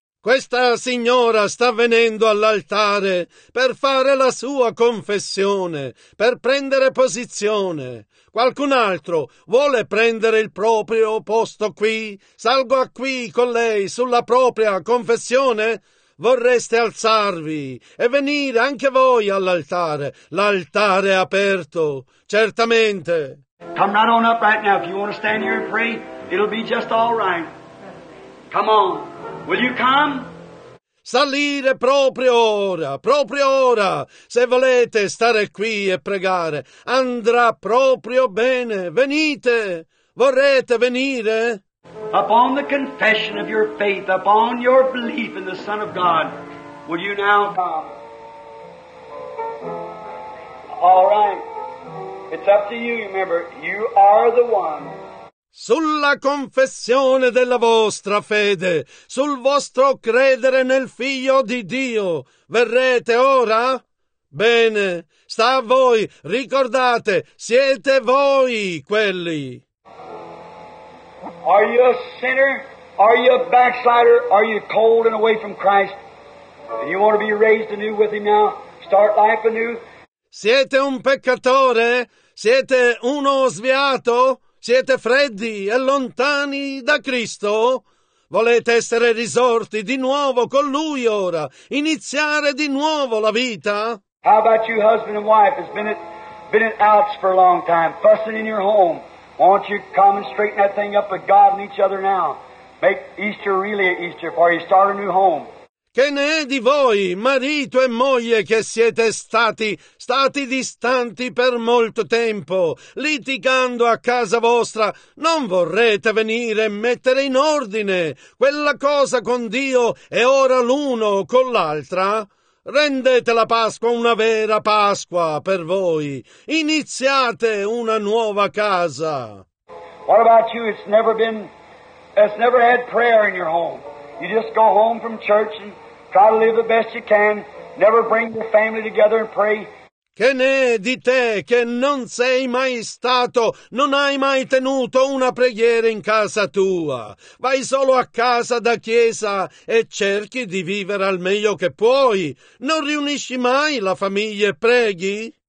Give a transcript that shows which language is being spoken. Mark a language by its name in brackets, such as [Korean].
[Italian] Questa signora sta venendo all'altare per fare la sua confessione, per prendere posizione. Qualcun altro vuole prendere il proprio posto qui? Salgo qui con lei sulla propria confessione? Vorreste alzarvi e venire anche voi all'altare? L'altare è aperto, certamente. [English] Come right on up right now. If you want to stand here and pray, it'll be just all right. Come on. Will you come? [Italian] Salire proprio ora, se volete stare qui e pregare, andrà proprio bene. Venite, vorrete venire? [English] Upon the confession of your faith, upon your belief in the Son of God, will you now come? All right, it's up to you, remember, you are the one. [Italian] Sulla confessione della vostra fede, sul vostro credere nel Figlio di Dio, verrete ora? Bene, sta a voi, ricordate, siete voi quelli. [English] Are you a sinner? Are you a backslider? Are you cold and away from Christ? And you want to be raised anew with Him now? Start life anew? [Italian] Siete un peccatore? Siete uno sviato? Siete freddi e lontani da Cristo? Volete essere risorti di nuovo con Lui ora? Iniziare di nuovo la vita? [English] How about you, husband and wife? It's been at outs for a long time, fussing in your home. Won't you come and straighten that thing up with God and each other now? Make Easter really an Easter for you. Start a new home. [Italian] Che ne è di voi, marito e moglie, che siete stati distanti per molto tempo, litigando a casa vostra? Non vorrete venire e mettere in ordine quella cosa con Dio e ora l'uno con l'altra? Rendete la Pasqua una vera Pasqua per voi. Iniziate una nuova casa. [English] What about you? It's never had prayer in your home. You just go home from church and try to live the best you can. Never bring your family together and pray. [Italian] Che ne è di te che non sei mai stato, non hai mai tenuto una preghiera in casa tua? Vai solo a casa da chiesa e cerchi di vivere al meglio che puoi. Non riunisci mai la famiglia e preghi?